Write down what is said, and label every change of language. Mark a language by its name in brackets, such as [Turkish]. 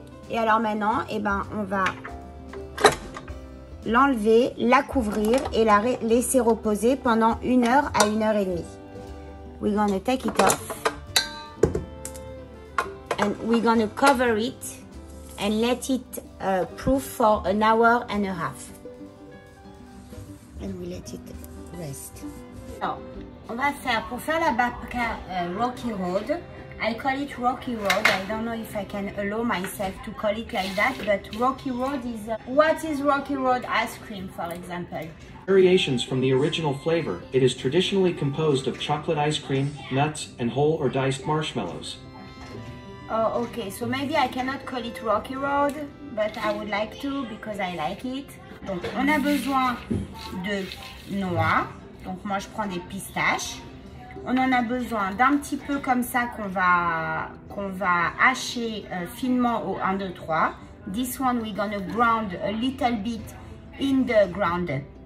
[French] Et alors maintenant, on va l'enlever, la couvrir et la laisser reposer pendant 1 heure à 1 heure et demie. [English] We're gonna take it off and we're gonna cover it. And let it proof for 1 hour and a half. And we let it rest. [French] Alors, on va faire, pour faire la babka rocky road, [English] I call it rocky road. I don't know if I can allow myself to call it like that, but rocky road is, what is rocky road ice cream, for example? Variations from the original flavor. It is traditionally composed of chocolate ice cream, nuts, and whole or diced marshmallows. Oh, okay, so maybe I cannot call it Rocky Road, but I would like to because I like it. [French] Donc, on a besoin de noix. Donc, moi, je prends des pistaches. On en a besoin d'un petit peu comme ça qu'on va hacher finement au 1, 2, 3. [English] This one, we're gonna ground a little bit in the grinder.